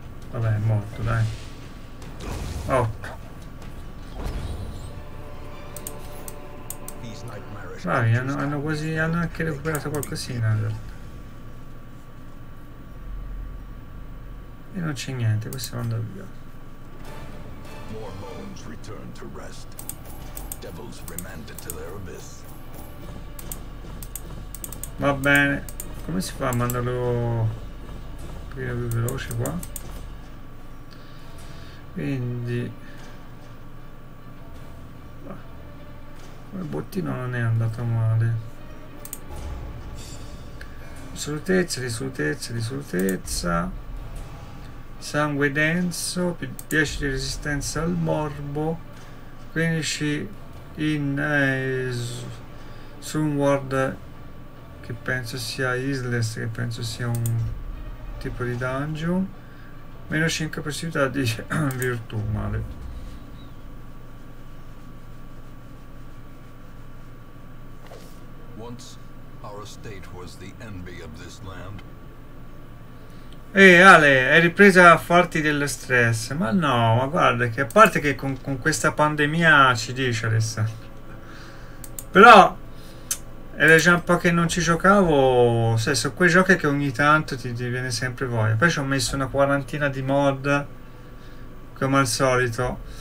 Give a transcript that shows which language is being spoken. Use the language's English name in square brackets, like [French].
[Italian] Vabbè, è morto, dai. 8. Bravi, hanno quasi, hanno anche recuperato qualcosina. E non c'è niente, possiamo andare via. [English] More bones return to rest. Devils remanded to their abyss. [Italian] Va bene, come si fa a mandarlo più veloce qua? Quindi il bottino non è andato male. Risolutezza, risolutezza, risolutezza. Sangue denso, 10 di resistenza al morbo, 15 in su un ward che penso sia Isles, che penso sia un tipo di dungeon, meno 5 possibilità di virtù male. [English] Once our estate was the envy of this land. [Italian] Ale, hai ripreso a farti dello stress? Ma no, ma guarda che a parte che con questa pandemia ci dice adesso. Però era già un po' che non ci giocavo. Sai, sono quei giochi che ogni tanto ti viene sempre voglia. Poi ci ho messo una quarantina di mod, come al solito.